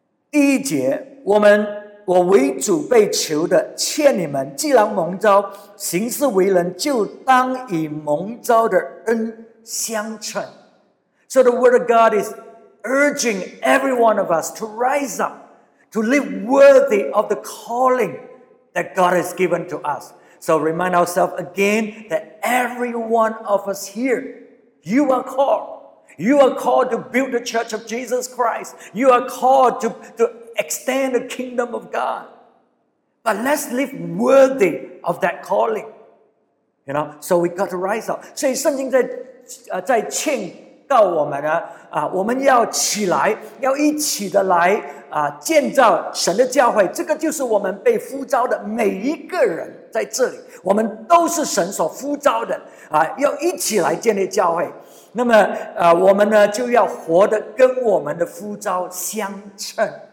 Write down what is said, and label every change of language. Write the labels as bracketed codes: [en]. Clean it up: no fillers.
[zh] 第一节，我为主被囚的，劝你们，既然蒙召，行事为人，就当以蒙召的恩相称。 [en] So the word of God is urging every one of us to rise up, to live worthy of the calling. That God has given to us. So remind ourselves again that every one of us here, you are called. You are called to build the Church of Jesus Christ. You are called to extend the kingdom of God. But let's live worthy of that calling. You know, so we got to rise up. [zh] 所以圣经在劝告我们呢，我们要起来，要一起的来。建造神的教会这个就是我们被呼召的每一个人在这里我们都是神所呼召的要一起来建立教会那么我们呢就要活得跟我们的呼召相称